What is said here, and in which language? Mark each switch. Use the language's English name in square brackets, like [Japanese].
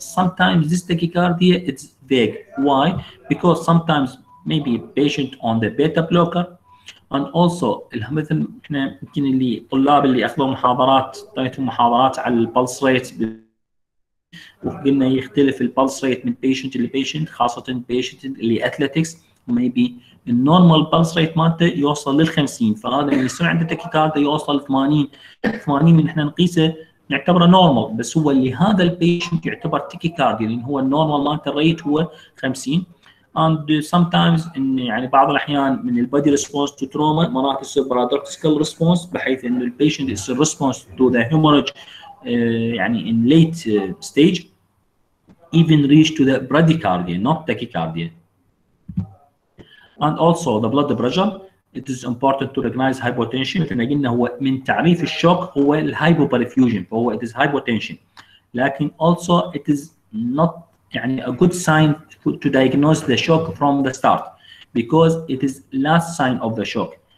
[English] Sometimes this tachycardia it's vague. Why? Because sometimes maybe patient on the beta blocker. And also [Arabic] مثل احنا يمكن اللي طلاب اللي اخذوا محاضرات طلعتهم محاضرات على البلس ريت، وقلنا يختلف البلس ريت من بيشنت لبيشنت، خاصه البيشنت اللي اتلتكس ميبي النورمال بلس ريت مالته يوصل لل 50، فهذا اللي يصير عنده تكيكارد يوصل 80 اللي احنا نقيسه نعتبره نورمال، بس هو لهذا البيشنت يعتبر تكيكارد لان هو النورمال مالته الريت هو 50. [English] And sometimes in يعني [Arabic] بعض الأحيان من [English] the body response to trauma [Arabic] مرات يصير [English] paradoxical response [Arabic] بحيث إنه [English] the patient is a response to the hemorrhage يعني in late stage even reach to the bradycardia not tachycardia. And also the blood pressure it is important to recognize hypotension. [Arabic] مثل ما قلنا هو من تعريف الشوك هو the hypoperfusion فهو [English] it is hypotension. لكن also it is not يعني a good sign to diagnose the shock from the start because it is last sign of the shock.